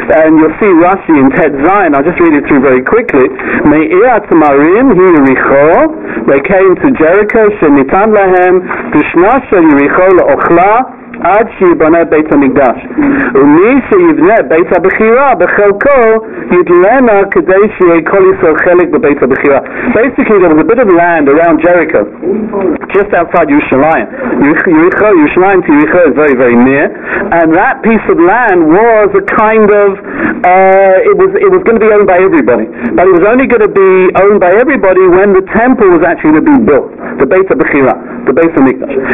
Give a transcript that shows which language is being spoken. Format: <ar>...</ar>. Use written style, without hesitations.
<en>And you'll see Rashi in Ted Zion. I'll just read it through very quickly.</en> <he>Me'irat Marim, he Yericho.</he> <en>They came to Jericho.</en> <he>שניתן להם בשנה של יריחו לאוכלה עד שיבנה בית המקדש ומי שיבנה בית הבחירה בחלקו ידלנה כדי שיהיה כל ישראל חלק בבית הבחירה.</he> <en>Basically there was a bit of land around Jericho just outside Yerushalayim. Yerushalayim to Yericho is very, very near, and that piece of land was a kind of it was going to be owned by everybody, but it was only going to be owned by everybody when the temple was actually going to be built, the Beit HaBechira, the base of Mikdash.</en>